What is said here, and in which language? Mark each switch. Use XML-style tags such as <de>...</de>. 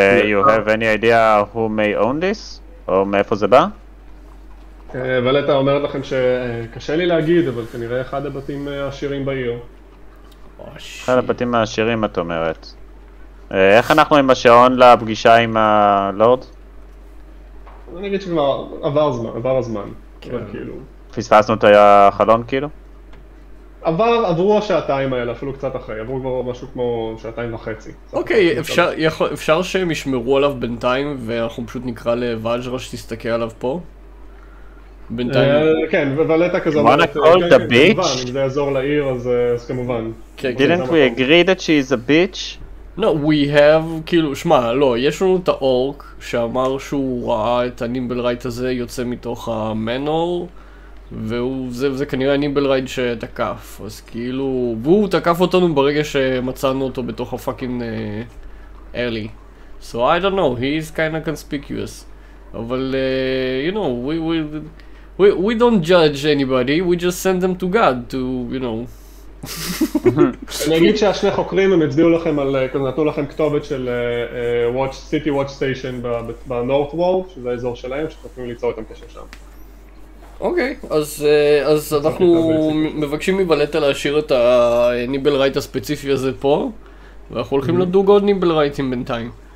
<en>you have any idea who may own this?</en> <he>או מאיפה זה בא? ולטה אומרת לכם שקשה לי להגיד, אבל כנראה אחד הבתים העשירים בעיר. אחד הבתים העשירים, את אומרת. איך אנחנו עם השעון לפגישה עם הלורד? אני אגיד שכבר עבר הזמן, כאילו. פספסנו את החלון, כאילו? עברו השעתיים האלה, אפילו קצת אחרי, עברו כבר משהו כמו שעתיים וחצי. אוקיי, אפשר שהם ישמרו עליו בינתיים, ואנחנו פשוט נקרא לוואג'רה שתסתכל עליו פה? בינתיים? כן, ולטה כזה...</he> <en>You wanna call the bitch?</en> <he>אם זה יעזור לעיר, אז כמובן.</he> <en>Didn't we agree that she is a bitch? No, we have,</en> <he>כאילו, שמע, לא, יש לנו את האורק, שאמר שהוא ראה את הנימבלרייט הזה יוצא מתוך המנור, וזה כנראה הנימבלרייד שתקף, אז כאילו, והוא תקף אותנו ברגע שמצאנו אותו בתוך הפאקינג אלי.</he> <en>So I don't know, he's kind of conspicuous. אבל, you know, we don't judge anybody, we just send them to God to, you know.</en> <he>אני אגיד שהשני חוקרים הם הצביעו לכם על, כזה נתנו לכם כתובת של City Watch Station ב-North Wall, שזה האזור שלהם, שתוכלו ליצור איתם קשר שם. אוקיי, אז אנחנו מבקשים מבלטה להשאיר את הניבל רייט הספציפי הזה פה, ואנחנו הולכים לדוג עוד ניבל רייטים בינתיים.</he>